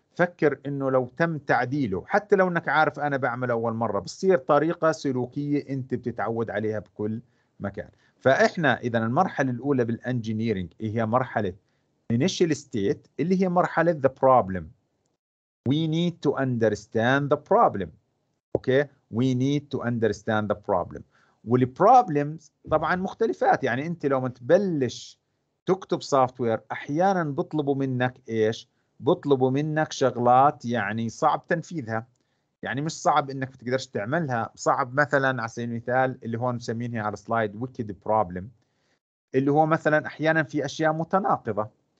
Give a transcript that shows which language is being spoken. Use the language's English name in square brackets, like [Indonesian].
[Arabic] فكر انه لو تم تعديله، حتى لو انك عارف انا بعمل اول مره، بصير طريقه سلوكيه انت بتتعود عليها بكل مكان. فاحنا اذا المرحله الاولى بالانجينيرنج هي مرحله [English] initial state [Arabic] اللي هي مرحله [English] the problem. We need to understand the problem. Okay, we need to understand the problem. [Arabic] والبروبلمز طبعا مختلفات. يعني انت لو متبلش تكتب سوفت وير، احيانا بيطلبوا منك ايش، بطلبوا منك شغلات يعني صعب تنفيذها، يعني مش صعب انك بتقدرش تعملها، صعب مثلا على سبيل المثال اللي هون مسمينها على سلايد [English] wicked problem، [Arabic] اللي هو مثلا احيانا في اشياء متناقضة.